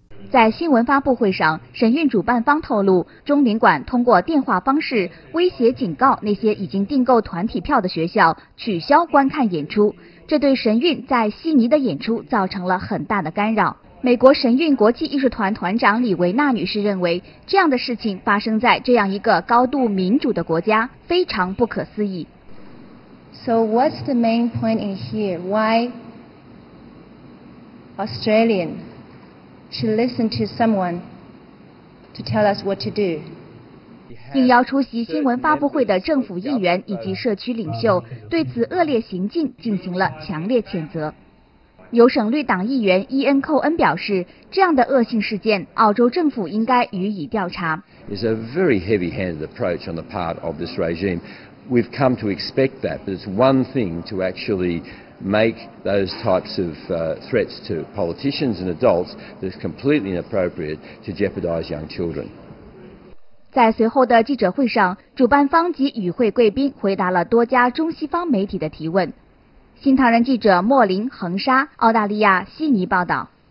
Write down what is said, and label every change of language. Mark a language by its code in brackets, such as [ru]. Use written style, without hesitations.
[zh] 在新闻发布会上，神韵主办方透露，中领馆通过电话方式威胁警告那些已经订购团体票的学校取消观看演出，这对神韵在悉尼的演出造成了很大的干扰。美国神韵国际艺术团团长李维纳女士认为，这样的事情发生在这样一个高度民主的国家，非常不可思议。 [en] So what's the main point in here? Why Australian should listen to someone to tell us what to do? [zh] 应邀出席新闻发布会的政府议员以及社区领袖对此恶劣行径进行了强烈谴责。牛省绿党议员伊恩·寇恩表示，这样的恶性事件，澳洲政府应该予以调查。 [en] It's a very heavy-handed approach on the part of this regime. We've come to expect that, but it's one thing to actually make those types of threats to politicians and adults that is completely inappropriate to jeopardize young children. [zh] 在随后的记者会上，主办方及与会贵宾回答了多家中西方媒体的提问。新唐人记者莫林、恒沙，澳大利亚悉尼报道。